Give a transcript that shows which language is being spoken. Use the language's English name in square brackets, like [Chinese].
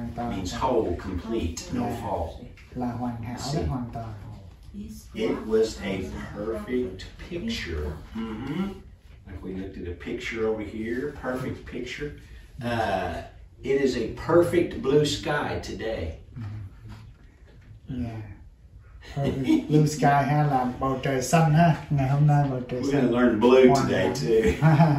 [English] means whole, complete, no fault. See, it was a perfect picture. Mm-hmm. Like we looked at a picture over here, perfect picture. It is a perfect blue sky today. Mm-hmm. Yeah. Perfect blue sky [Vietnamese] ha, là bầu trời xanh ha. Ngày hôm nay bầu trời xanh. [English] We're going to learn blue today too.